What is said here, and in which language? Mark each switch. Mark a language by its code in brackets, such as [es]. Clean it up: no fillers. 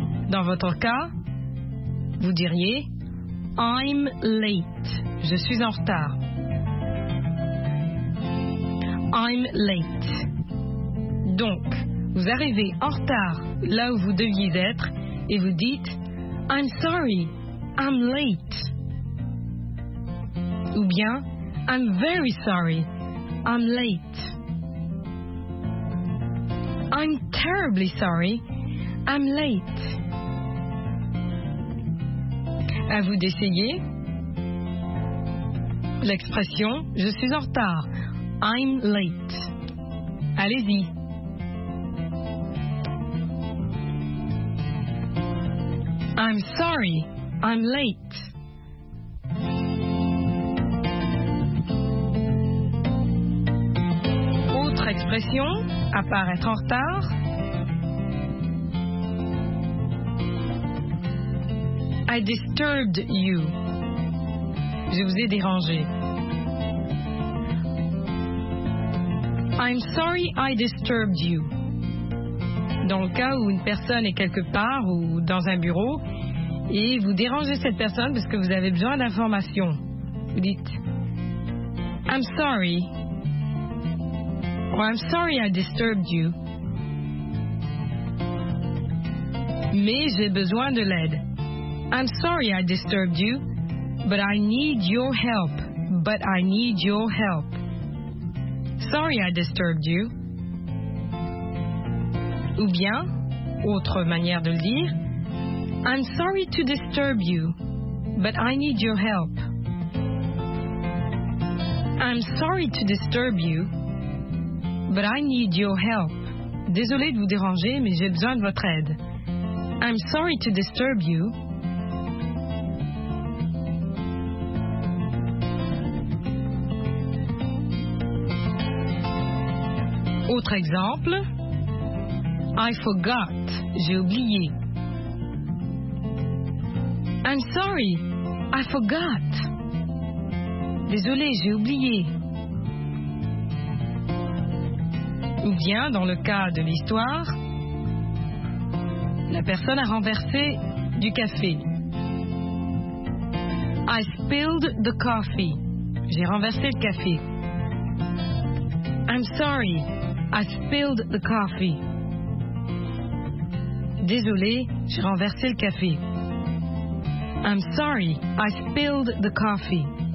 [fr] Dans votre cas, vous diriez [en] I'm late. [fr] Je suis en retard. [en] I'm late. [fr] Donc, vous arrivez en retard là où vous deviez être et vous dites [en] I'm sorry, I'm late. [fr] Ou bien, [en] I'm very sorry, I'm late. I'm terribly sorry, I'm late. [fr] À vous d'essayer l'expression, je suis en retard, [en] I'm late. [fr] Allez-y. [en] I'm sorry, I'm late. [fr] Expression, à part être en retard. [en] I disturbed you. [fr] Je vous ai dérangé. [en] I'm sorry I disturbed you. [fr] Dans le cas où une personne est quelque part ou dans un bureau et vous dérangez cette personne parce que vous avez besoin d'informations, vous dites [en] I'm sorry. Well, I'm sorry I disturbed you. [fr] Mais j'ai besoin de l'aide. [en] I'm sorry I disturbed you, but I need your help. But I need your help. Sorry I disturbed you. [fr] Ou bien, autre manière de le dire, [en] I'm sorry to disturb you. but I need your help. I'm sorry to disturb you, but I need your help. [fr] Désolé de vous déranger, mais j'ai besoin de votre aide. [en] I'm sorry to disturb you. [fr] Autre exemple. [en] I forgot. [fr] J'ai oublié. [en] I'm sorry. I forgot. [fr] Désolé, j'ai oublié. Ou bien, dans le cas de l'histoire, la personne a renversé du café. [en] I spilled the coffee. [fr] J'ai renversé le café. [en] I'm sorry. I spilled the coffee. [fr] Désolé, j'ai renversé le café. [en] I'm sorry, I spilled the coffee.